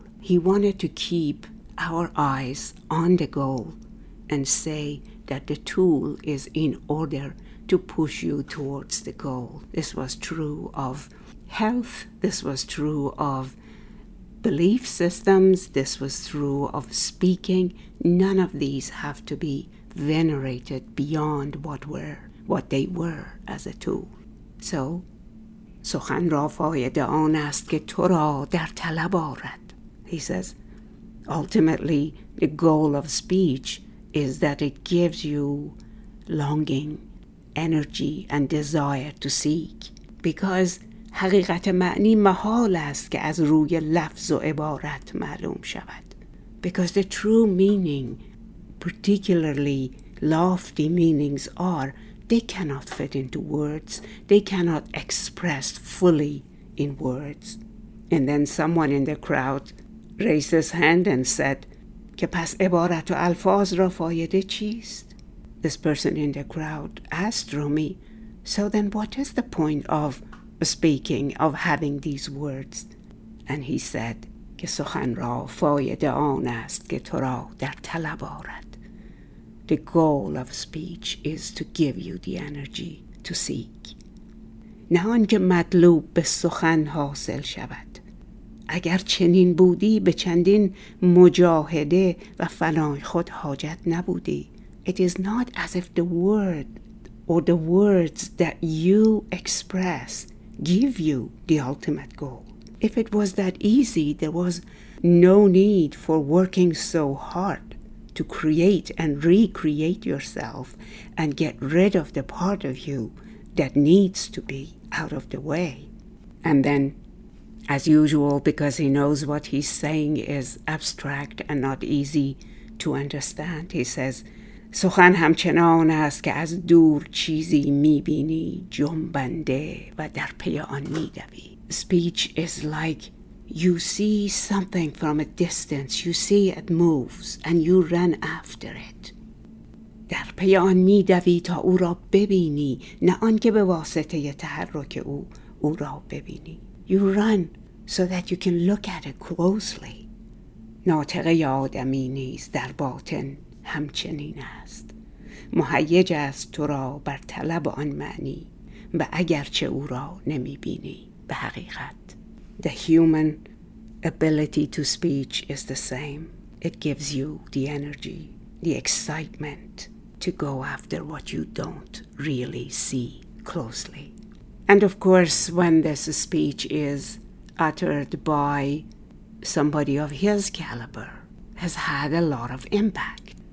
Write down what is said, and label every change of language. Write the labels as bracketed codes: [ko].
[en] He wanted to keep our eyes on the goal and say that the tool is in order to push you towards the goal. This was true of health. This was true of belief systems. This was true of speaking. None of these have to be venerated beyond what they were as a tool. [fa] So, سخن را فایده آن است که تو را در طلب آورد. [en] He says, ultimately, the goal of speech is that it gives you longing, energy, and desire to seek. [fa] Because حقیقت معنی محال است که از روی لفظ و عبارت معلوم شود. [en] Because the true meaning, particularly lofty meanings, are they cannot fit into words. They cannot express fully in words. And then someone in the crowd raised his hand and said, [fa] که پس عبارت و الفاظ را فایده چیست? [en] This person in the crowd asked Rumi, so then what is the point of speaking, of having these words? And he said, [fa] که سخن را فایده آن است که تو را در طلب آورد. [en] The goal of speech is to give you the energy to seek. [fa] نه آنکه مطلوب به سخن حاصل شود. اگر چنین بودی به چندین مجاهده و فنای خود حاجت نبودی. [en] It is not as if the word or the words that you express give you the ultimate goal. If it was that easy, there was no need for working so hard to create and recreate yourself and get rid of the part of you that needs to be out of the way. And then, as usual, because he knows what he's saying is abstract and not easy to understand, he says, [fa] سخن همچنان است که از دور چیزی میبینی جنبنده و در پی آن میدوی. [en] Speech is like you see something from a distance, you see it moves and you run after it. [fa] در پی آن میدوی تا او را ببینی، نه آنکه به واسطه تحرک او را ببینی. [en] You run so that you can look at it closely. [fa] ناطقه آدمی نیز در باطن همچنین است، مهیج است تو را بر طلب آن معنی و اگرچه او را نمیبینی به حقیقت. [en] The human ability to speech is the same. It gives you the energy, the excitement to go after what you don't really see closely. And of course, when this speech is uttered by somebody of his caliber, has had a lot of impact.